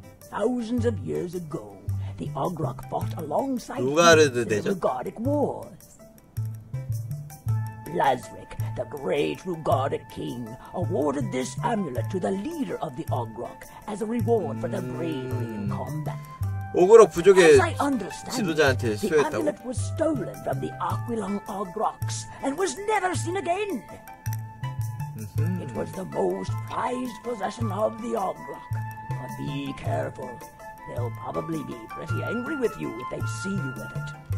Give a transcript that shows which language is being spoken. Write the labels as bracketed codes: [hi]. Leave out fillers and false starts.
[en] Thousands of years ago, the Ogrok fought alongside Lugard in the Rugardic Wars. Blazric, the great Rugardic king, awarded this amulet to the leader of the Ogrok as a reward for their bravery in combat. [ko] 오그록 부족의 지도자한테 수여했다고? [en] The amulet was stolen from the Aquilon Ogroks and was never seen again. It was the most prized possession of the Ogrok. But be careful. They'll probably be pretty angry with you if they see you with it.